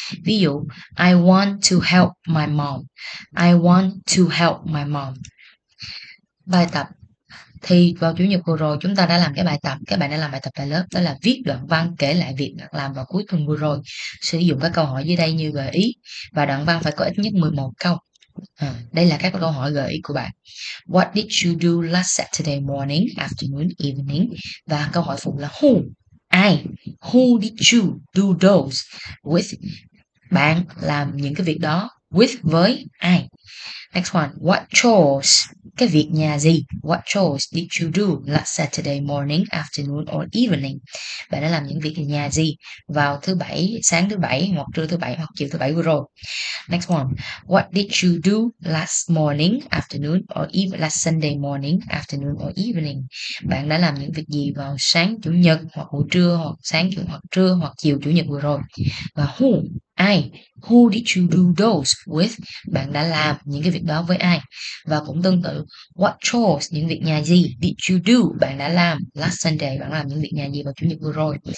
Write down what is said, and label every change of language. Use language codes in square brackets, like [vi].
[vi] Ví dụ, [en] I want to help my mom. I want to help my mom. [vi] Bài tập. Thì vào Chủ nhật vừa rồi chúng ta đã làm cái bài tập, các bạn đã làm bài tập tại lớp, đó là viết đoạn văn kể lại việc bạn làm vào cuối tuần vừa rồi. Sử dụng các câu hỏi dưới đây như gợi ý. Và đoạn văn phải có ít nhất 11 câu. Đây là các câu hỏi gợi ý của bạn. [en] What did you do last Saturday morning, afternoon, evening? [vi] Và câu hỏi phụ là [en] who? [vi] Ai? [en] Who did you do those with? [vi] Bạn làm những cái việc đó with, với ai? [en] Next one. What chores? [vi] Cái việc nhà gì? [en] What chores did you do last Saturday morning, afternoon or evening? [vi] Bạn đã làm những việc nhà gì vào thứ Bảy, sáng thứ Bảy, hoặc trưa thứ Bảy, hoặc chiều thứ Bảy vừa rồi? [en] Next one. What did you do last morning, afternoon or last Sunday morning, afternoon or evening? [vi] Bạn đã làm những việc gì vào sáng Chủ nhật, hoặc buổi trưa, hoặc sáng, hoặc trưa, hoặc chiều Chủ nhật vừa rồi? Và [en] who? [vi] ai, [en] who did you do those with, [vi] bạn đã làm những cái việc đó với ai. Và cũng tương tự, [en] what chores, [vi] những việc nhà gì, [en] did you do, [vi] bạn đã làm [en] last Sunday, [vi] bạn làm những việc nhà gì vào chủ nhật vừa rồi.